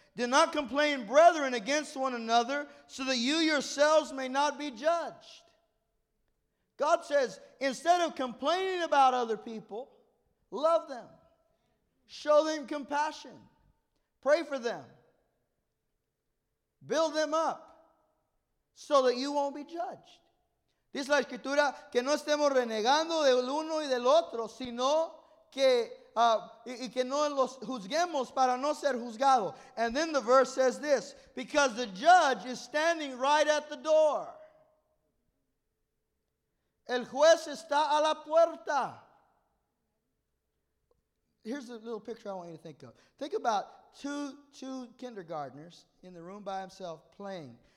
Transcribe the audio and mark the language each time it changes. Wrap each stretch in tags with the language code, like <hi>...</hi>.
<en>Do not complain, brethren, against one another, so that you yourselves may not be judged. God says, instead of complaining about other people, love them. Show them compassion. Pray for them. Build them up, so that you won't be judged.</en> <es>Dice la escritura que no estemos renegando del uno y del otro, sino que y que no los juzguemos para no ser juzgados.</es> <en>And then the verse says this, because the judge is standing right at the door.</en> <es>El juez está a la puerta.</es> <en>Here's a little picture I want you to think of. Think about two kindergartners in the room by himself playing.</en>